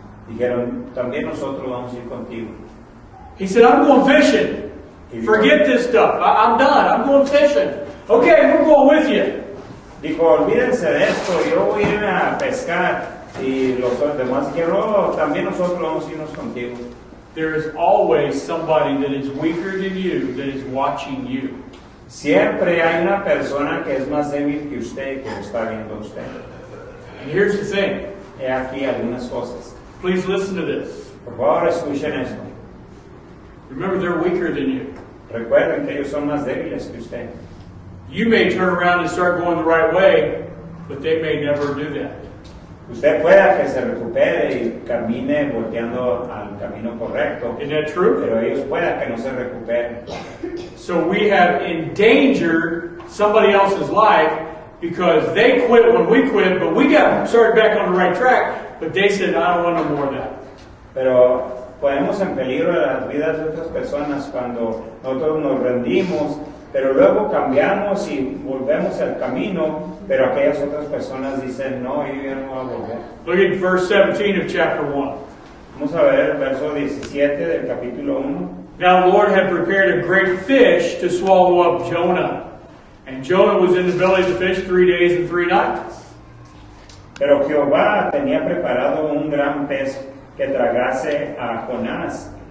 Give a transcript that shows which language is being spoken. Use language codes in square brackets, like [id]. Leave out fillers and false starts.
[es] Dijeron, también nosotros vamos a ir contigo. [en] He said, I'm going fishing. Forget this stuff. I'm done. I'm going fishing. Okay, we're going with you. [es] Dijo, olvídense de esto. Yo voy a ir a pescar. Y los demás dijeron, también nosotros vamos a irnos contigo. [en] There is always somebody that is weaker than you that is watching you. [es] Siempre hay una persona que es más débil que usted que está viendo usted. [en] And here's the thing. [es] He aquí algunas cosas. [en] Please listen to this. [es] Por favor, escuchen esto. [en] Remember, they're weaker than you. [es] Recuerden que ellos son más débiles que usted. [en] You may turn around and start going the right way, but they may never do that. [es] Usted pueda que se recupere y camine volteando al camino correcto. [en] Isn't that true? [es] Pero ellos pueda que no se recupere. [en] So we have endangered somebody else's life because they quit when we quit, but we got started back on the right track, but they said, I don't want no more of that. [es] Pero ponemos en peligro las vidas de otras personas cuando nosotros nos rendimos, pero luego cambiamos y volvemos al camino, pero aquellas otras personas dicen, no, yo ya no voy a volver. [en] Look at verse 17 of chapter 1. [es] Vamos a ver el verso 17 del capítulo 1. [en] Now the Lord had prepared a great fish to swallow up Jonah. And Jonah was in the belly of the fish 3 days and three nights. [es] Pero Jehová tenía preparado un gran pez que tragase a Jonás.